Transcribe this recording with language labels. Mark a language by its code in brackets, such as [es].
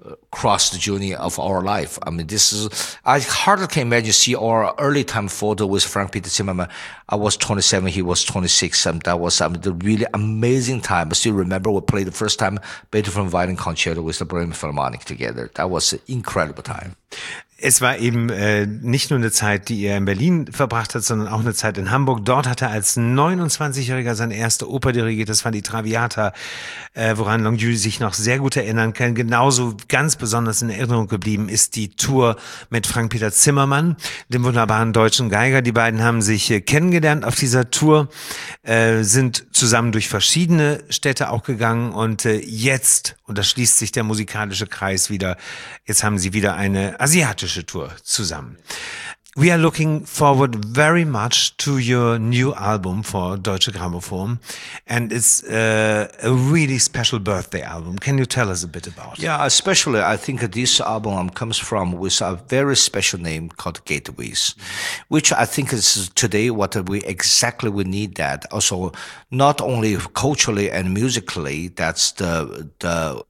[en] Cross the journey of our life. I hardly can imagine see our early time photo with Frank Peter Zimmermann. I was 27, he was 26, and that was the really amazing time. I still remember we played the first time Beethoven Violin Concerto with the Bremer Philharmonic together. That was an incredible time. [de] Es war eben nicht nur eine Zeit, die er in Berlin verbracht hat, sondern auch eine Zeit in Hamburg. Dort hat er als 29-Jähriger seine erste Oper dirigiert. Das war die Traviata, woran Longyu sich noch sehr gut erinnern kann. Genauso ganz besonders in Erinnerung geblieben ist die Tour mit Frank-Peter Zimmermann, dem wunderbaren deutschen Geiger. Die beiden haben sich kennengelernt auf dieser Tour, sind zusammen durch verschiedene Städte auch gegangen. Und jetzt, und da schließt sich der musikalische Kreis wieder, jetzt haben sie wieder eine Asiatische Tour zusammen. [en] We are looking forward very much to your new album for Deutsche Grammophon, and it's a really special birthday album. Can you tell us a bit about it? Yeah, especially I think this album comes from with a very special name called Gateways, which I think is today what we need that. Also, not only culturally and musically, that's the